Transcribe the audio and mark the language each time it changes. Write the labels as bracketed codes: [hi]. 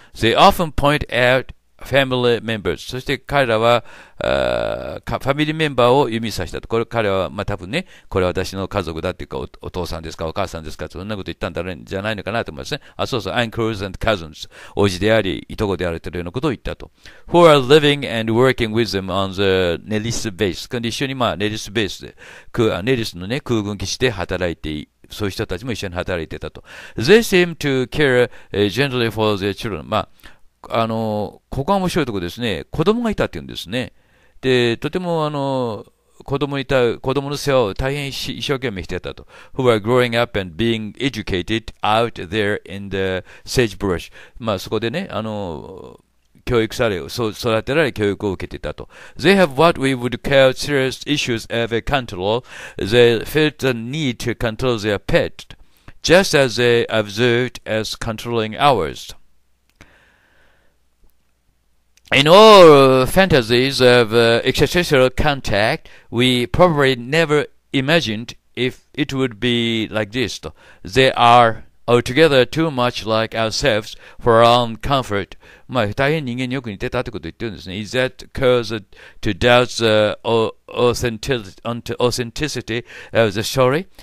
[en] They often point out family members. [ja] そして彼らは、ファミリーメンバーを指さしたと。これ彼は、まあ、多分ね、これは私の家族だっていうか、お父さんですか、お母さんですか、そんなこと言ったんだろうんじゃないのかなと思いますね。あ、そうそう、 [en] uncles and cousins。 [ja] おじであり、いとこであるというようなことを言ったと。 [en] Who are living and working with them on the Nellis base. [ja] 一緒に、まあ、Nellis base で、Nellis のね、空軍基地で働いて、そういう人たちも一緒に働いてたと。 [en] They seem to care generally for their children. [ja] まあ、ここは面白いところですね。子供がいたって言うんですね。で、とても子供の世話を大変一生懸命してたと。 [en] Who are growing up and being educated out there in the sagebrush. [ja] まあそこでね、教育され、育てられ教育を受けていたと。 [en] They have what we would call serious issues of control. They felt the need to control their pet, just as they observed as controlling ours. In all fantasies of extraterrestrial contact, we probably never imagined if it would be like this. They are altogether too much like ourselves for our own comfort. [ja] まあ、大変人間によく似てたってことを言ってるんですね。 [en] Is that cause to doubt the authenticity of the story?